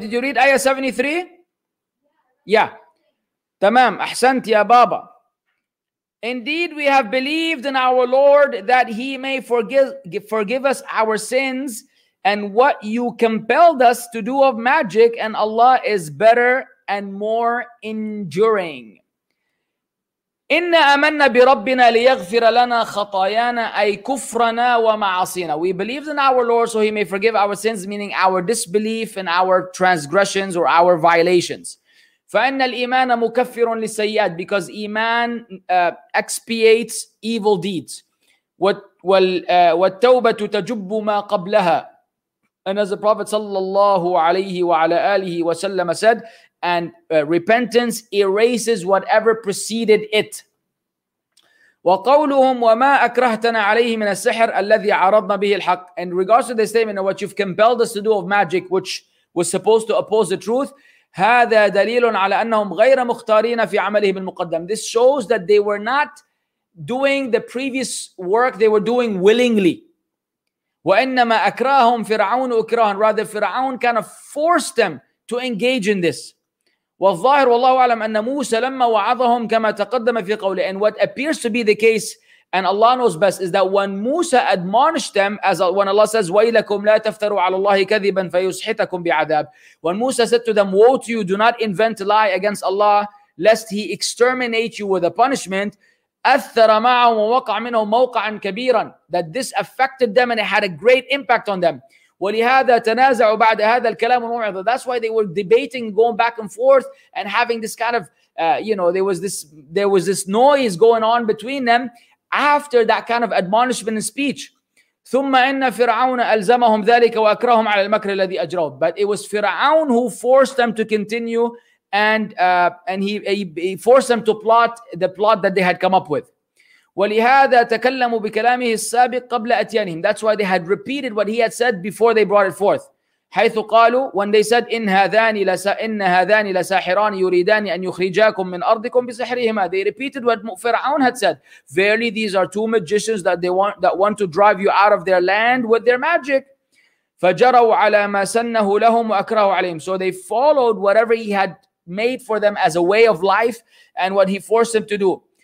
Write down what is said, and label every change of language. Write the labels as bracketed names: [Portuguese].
[English] Did you read ayah 73? Yeah. [Arabic] تمام, أحسنت يا بابا. [English] Indeed, we have believed in our Lord that He may forgive us our sins and what you compelled us to do of magic, and Allah is better and more enduring. [Arabic] إنا آمنا بربنا ليغفر لنا خطايانا أي كفرنا ومعاصينا. [English] We believed in our Lord so He may forgive our sins, meaning our disbelief and our transgressions or our violations. [Arabic] فإن الإيمان مكفر للسيئات, [English] because إيمان expiates evil deeds. [Arabic] والتوبة تجب ما قبلها. [English] And as the Prophet صلى الله عليه وعلى آله وسلم said, and repentance erases whatever preceded it. [Arabic] وقولهم وما أكرهتنا عليه من السحر الذي عرضنا به الحق. [English] In regards to the statement of what you've compelled us to do of magic, which was supposed to oppose the truth, [Arabic] هذا دليل على أنهم غير مختارين في عملهم المقدم. [English] This shows that they were not doing the previous work they were doing willingly. [Arabic] وإنما أكرههم فرعون أكرهن. [English] Rather, فرعون kind of forced them to engage in this. [Arabic] والظاهر والله أعلم أن موسى لما وعظهم كما تقدم في قوله. [English] And what appears to be the case, and Allah knows best, is that when Musa admonished them, as when Allah says, [Arabic] وَيْلَكُمْ لَا تَفْتَرُوا عَلَى اللَّهِ كَذِبًا فَيُسْحِتَكُمْ بِعَذَابٍ. [English] When Musa said to them, woe to you, do not invent a lie against Allah, lest He exterminate you with a punishment. [Arabic] أَثَّرَ مَعَهُمْ وَوَقَعَ مِنْهُمْ مَوْقَعًا كَبِيرًا. [English] That this affected them and it had a great impact on them. [Arabic] ولهذا تنازعوا بعد هذا الكلام الموعظة. [English] That's why they were debating, going back and forth, and having this kind of, there was this noise going on between them after that kind of admonishment and speech. [Arabic] ثم إن فرعون ألزمهم ذلك وأكرههم على المكر الذي أجروا. [English] But it was Fir'aun who forced them to continue, and he forced them to plot the plot that they had come up with. [Arabic] ولهذا تكلموا بكلامه السابق قبل أتيانهم. [English] That's why they had repeated what he had said before they brought it forth. [Arabic] حيث قالوا, [English] when they said, [Arabic] إن هذان لساحران يريدان أن يخرجاكم من أرضكم بسحرهما. [English] They repeated what Fir'aun had said. Verily, these are two magicians that want to drive you out of their land with their magic. [Arabic] فجروا على ما سنه لهم وأكرهوا عليهم. So they followed whatever he had made for them as a way of life and what he forced them to do.